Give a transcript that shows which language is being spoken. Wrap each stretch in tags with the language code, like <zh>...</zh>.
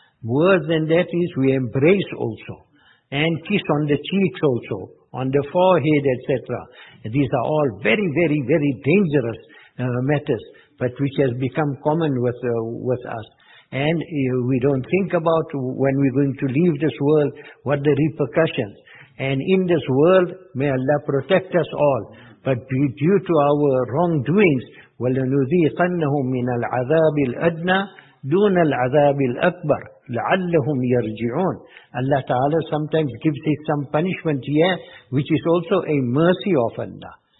<en>Worse than that is, we embrace also. And kiss on the cheeks also, on the forehead, etc. These are all very, very, very dangerous matters, but which has become common with us. And we don't think about when we're going to leave this world, what the repercussions. And in this world, may Allah protect us all. But due to our wrongdoings,</en> <ar>وَلَنُذِيقَنَّهُمْ مِنَ الْعَذَابِ الْأَدْنَى دُونَ الْعَذَابِ الْأَكْبَرِ لَعَلَّهُمْ يَرْجِعُونَ.</ar> <en>Allah Ta'ala sometimes gives it some punishment here, which is also a mercy of Allah.</en>